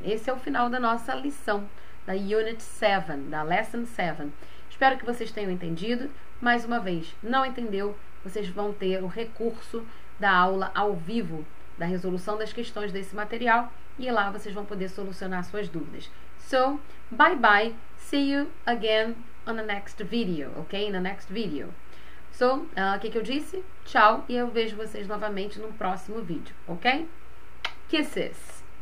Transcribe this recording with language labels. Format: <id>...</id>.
<pt>Esse é o final da nossa lição, da Unit 7, da Lesson 7. Espero que vocês tenham entendido. Mais uma vez, não entendeu? Vocês vão ter o recurso da aula ao vivo, da resolução das questões desse material, e lá vocês vão poder solucionar suas dúvidas.</pt> <en>So, bye-bye, see you again on the next video, ok? In the next video.</en> <pt>So, que eu disse? Tchau, e eu vejo vocês novamente no próximo vídeo, ok? Kisses!</pt>